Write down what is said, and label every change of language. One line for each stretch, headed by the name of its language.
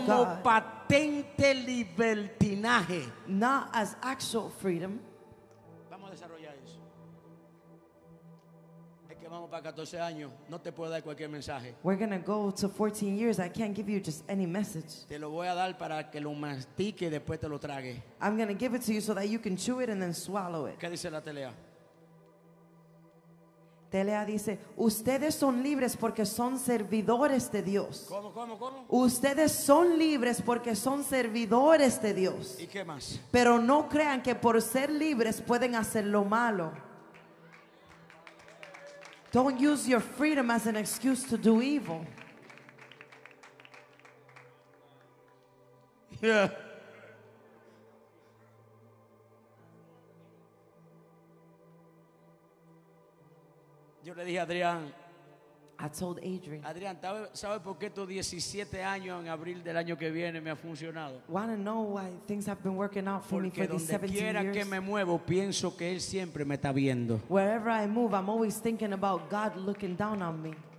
Spanish: No como patente libertinaje.
English: Not as actual freedom.
Spanish: Vamos a desarrollar eso. Es que vamos para 14 años. No te puedo dar cualquier mensaje.
English: We're going to go to 14 years. I can't give you just any message.
Spanish: Te lo voy a dar para que lo mastique y después te lo trague.
English: I'm going to give it to you so that you can chew it and then swallow it.
Spanish: ¿Qué dice la telea? Telea dice, ustedes son libres porque son servidores de Dios. ¿Cómo? Ustedes son libres porque son servidores de Dios. ¿Y qué más? Pero no crean que por ser libres pueden hacer lo malo.
English: Don't use your freedom as an excuse to do evil. Yeah.
Spanish: Yo le dije a Adrián.
English: I told Adrian.
Spanish: Adrián, ¿sabes por qué estos 17 años en abril del año que viene me ha funcionado?
English: Want to know why things have been working out for
Spanish: porque
English: me for these 17 years?
Spanish: Porque donde quiera que me muevo, pienso que él siempre me está viendo.
English: Wherever I move, I'm always thinking about God looking down on me.